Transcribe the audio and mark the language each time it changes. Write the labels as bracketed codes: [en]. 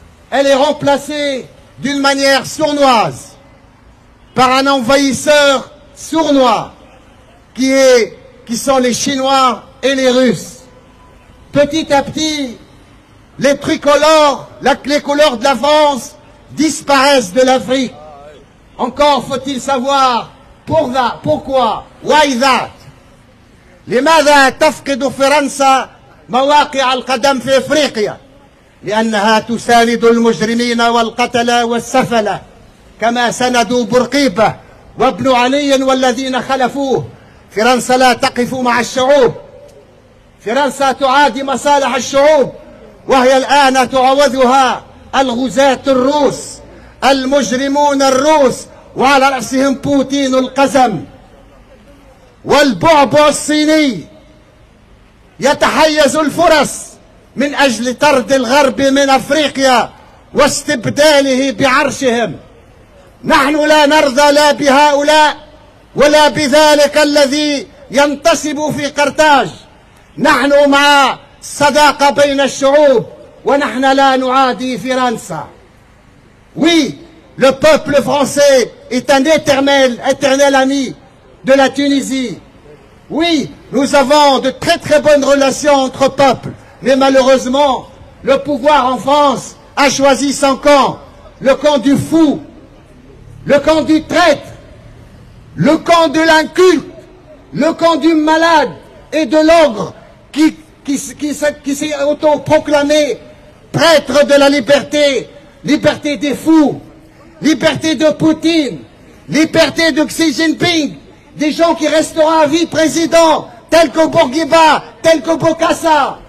[fr] Elle est remplacée d'une manière sournoise par un envahisseur sournois qui sont les Chinois et les Russes. Petit à petit, les tricolores, les couleurs de la France disparaissent de l'Afrique. Encore faut-il savoir pourquoi. [en] Why that? [ar] لماذا تفقد فرنسا مواقع القدم في أفريقيا؟ لأنها تساند المجرمين والقتلة والسفلة، كما سندوا بورقيبة وابن علي والذين خلفوه. فرنسا لا تقف مع الشعوب، فرنسا تعادي مصالح الشعوب، وهي الآن تعوضها الغزاة الروس المجرمون الروس وعلى رأسهم بوتين القزم. والبعبع الصيني يتحيز الفرص من أجل طرد الغرب من أفريقيا واستبداله بعرشهم. نحن لا نرضى لا بهؤلاء ولا بذلك الذي ينتصب في قرطاج. نحن مع الصداقة بين الشعوب ونحن لا نعادي فرنسا. [fr] Oui, le peuple français est un éternel ami de la Tunisie. Oui, nous avons de très très bonnes relations entre peuples. Mais malheureusement, le pouvoir en France a choisi son camp, le camp du fou, le camp du traître, le camp de l'inculte, le camp du malade et de l'ogre qui s'est autoproclamé prêtre de la liberté, liberté des fous, liberté de Poutine, liberté de Xi Jinping, des gens qui resteront à vie présidents, tels que Bourguiba, tels que Bokassa.